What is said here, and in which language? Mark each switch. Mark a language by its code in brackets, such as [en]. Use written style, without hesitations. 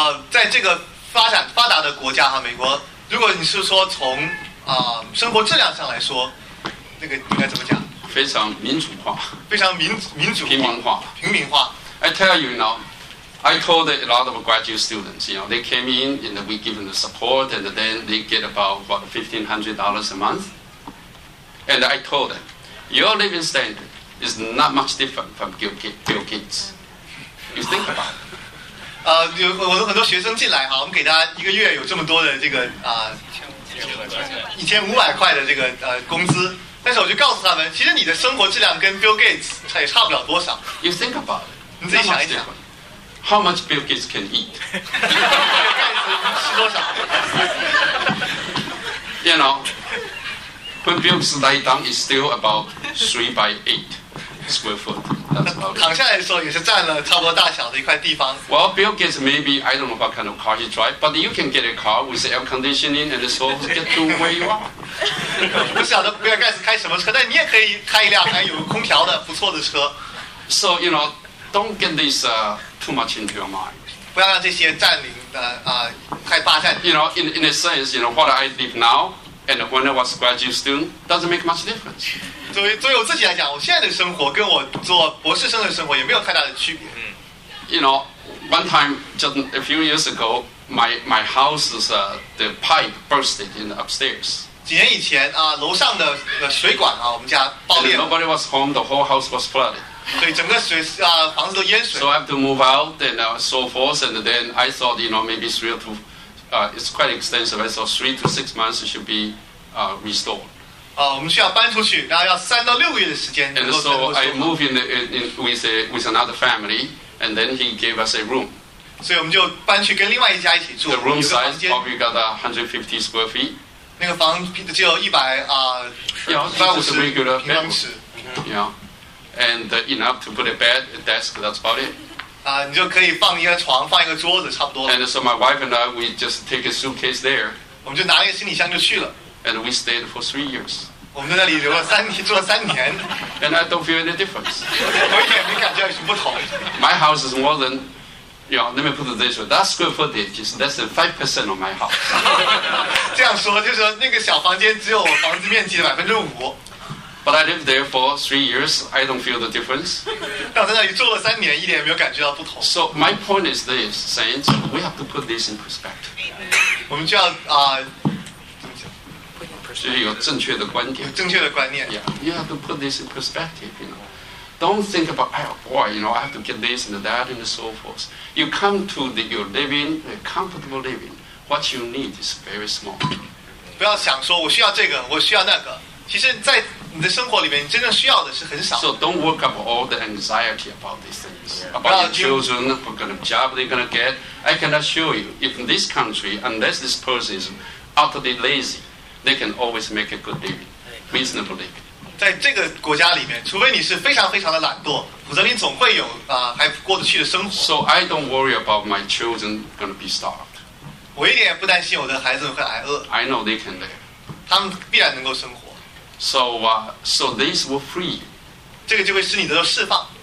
[zh] 在这个发达的国家哈，美国，如果你是说从生活质量上来说，那个应该怎么讲？非常民主化。非常民主。平民化。平民化。 [en] I tell you now, I told a lot of graduate students, you know, they came in and we give them the support, and then they get about $1,500 a month. And I told them, your living standard is not much different from Bill Gates. You think about it. [zh] 有很多学生进来哈，我们给他一个月有这么多的这个1500块的这个工资，但是我就告诉他们，其实你的生活质量跟 Bill Gates 也差不了多少。 [en] You think about it. [zh] 你自己想一想 [en] ，How much Bill Gates can eat? [zh] 吃多少 [en] ？You know, when Bill Gates lay down, it's still about 3x8 square foot. [zh] 躺下来的时候也是占了差不多大小的一块地方。 [en] Well, Bill Gates maybe I don't know what kind of car he drives, but you can get a car with air conditioning and so get to where you are. [zh] 不晓得 Bill Gates 开什么车，但你也可以开一辆还有空调的不错的车。 [en] So you know, don't get this too much into your mind. [zh] 不要让这些占领的太霸占。 [en] You know, in a sense, you know, what I live now and when I was a graduate student doesn't make much difference. [zh] 作为我自己来讲，我现在的生活跟我做博士生的生活也没有太大的区别。 [en] You know, one time just a few years ago, my house's the pipe bursted in the upstairs. [zh] 几年以前啊，楼上的水管啊，我们家爆裂了。 [en] And nobody was home, the whole house was flooded. [zh] 所以整个水房子都淹水。 [en] So I have to move out and so forth, and then I thought, you know, maybe three or two, it's quite extensive. I thought 3 to 6 months should be restored. [zh] 我们需要搬出去，然后要3到6个月的时间。 [en] And so I moved with another family, and then he gave us a room. [zh] 所以我们就搬去跟另外一家一起住。 [en] The room size probably got 150 square feet. [zh] 那个房只有 150平方尺。Yeah. [en] And enough to put a bed, a desk, that's about it. [zh] 你就可以放一个床，放一个桌子，差不多。 [en] And so my wife and I, we just take a suitcase there. [zh] 我们就拿一个行李箱就去了。 [en] And we stayed for 3 years. [zh] 我们在那里留了住了三年。 [en] And I don't feel any difference. [zh] 我也没感觉有什么不同。 [en] My house is more than, you know, let me put it this way, that square footage is less than 5% of my house. [zh] 这样说，就是说那个小房间只有我房子面积的5%。 [en] But I lived there for 3 years. I don't feel the difference. [zh] 但我在那里住了三年，一点也没有感觉到不同。 [en] So my point is this, saints, we have to put this in perspective. [zh] 我们就要就是有正确的观点。正确的观念。 [en] Yeah, you have to put this in perspective. You know, don't think about, oh boy, you know, I have to get this and that and so forth. You come to your living, a comfortable living. What you need is very small. [zh] 不要想说我需要这个，我需要那个。其实，在你的生活里面，你真正需要的是很少。 [en] So don't work up all the anxiety about these things. About your children, what kind of job they're going to get. I can assure you, if in this country, unless this person is utterly lazy, they can always make a good living, reasonable living. [zh] 在这个国家里面，除非你是非常非常的懒惰，否则你总会有还过得去的生活。 [en] So I don't worry about my children going to be starved. [zh] 我一点也不担心我的孩子会挨饿。 [en] I know they can live. [zh] 他们必然能够生活。 [en] So this will free. [zh] 这个就会使你得到释放。